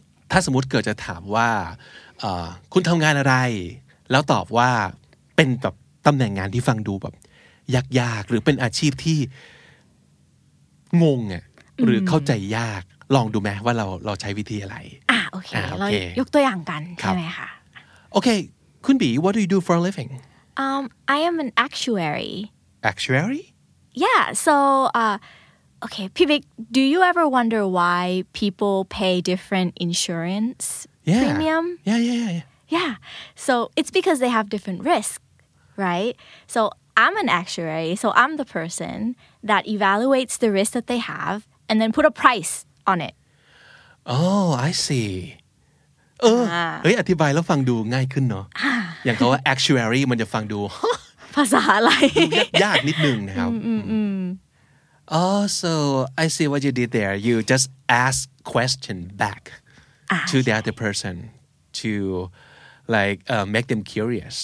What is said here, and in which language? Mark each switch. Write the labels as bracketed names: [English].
[Thai] ถ้าสมมติเกิดจะถามว่าคุณทำงานอะไรแล้วตอบว่าเป็นแบบตำแหน่งงานที่ฟังดูแบบยากๆหรือเป็นอาชีพที่งงอ่ะหรือเข้าใจยากลองดูไหมว่าเราใช้วิธีอะไร โอเคเรายกตัวอย่างกันใช่ไหมคะ [English] Okay, Kunbi, what do you do for a living? I am an actuary. Actuary? Yeah, so, Pibik, do you ever wonder why people pay different insurance premium? Yeah. So it's because they have different risk, right? So I'm an actuary, so I'm the person that evaluates the risk that they have and then put a price on it. Oh, I see. [Thai] เฮ้ยอธิบายแล้วฟังดูง่ายขึ้นเน า ะอย่างเขาว่า actuary มันจะฟังดู ภาษาอะไร ยากนิดนึงนะครับ [English] so I see what you did there. You just ask question back to the other person to like make them curious.